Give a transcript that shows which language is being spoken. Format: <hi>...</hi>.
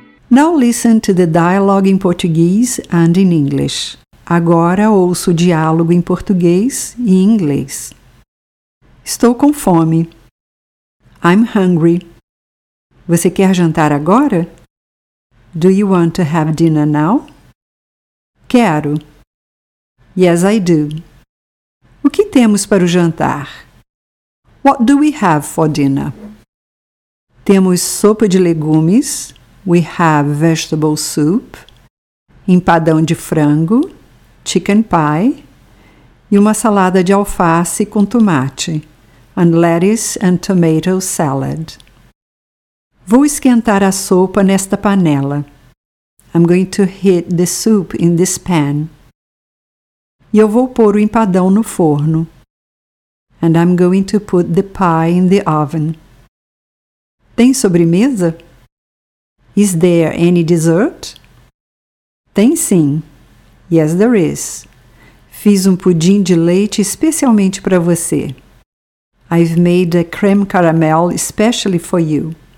<en>Now listen to the dialogue in Portuguese and in English.</en> <pt>Agora ouço o diálogo em português e em inglês. Estou com fome.</pt> <en>I'm hungry.</en> <pt>Você quer jantar agora?</pt> <en>Do you want to have dinner now?</en> <pt>Quero.</pt> <en>Yes, I do.</en> <pt>O que temos para o jantar?</pt> <en>What do we have for dinner?</en> <pt>Temos sopa de legumes.</pt> <en>We have vegetable soup.</en> <pt>Empadão de frango.</pt> <en>Chicken pie.</en> <pt>E uma salada de alface com tomate.</pt> <en>And lettuce and tomato salad.</en> <pt>Vou esquentar a sopa nesta panela.</pt> <en>I'm going to heat the soup in this pan.</en> <pt>E eu vou pôr o empadão no forno.</pt> <en>And I'm going to put the pie in the oven.</en> <pt>Tem sobremesa?</pt> <en>Is there any dessert?</en> <pt>Tem sim.</pt> <en>Yes, there is.</en> <pt>Fiz um pudim de leite especialmente para você.</pt> <en>I've made a creme caramel especially for you.</en>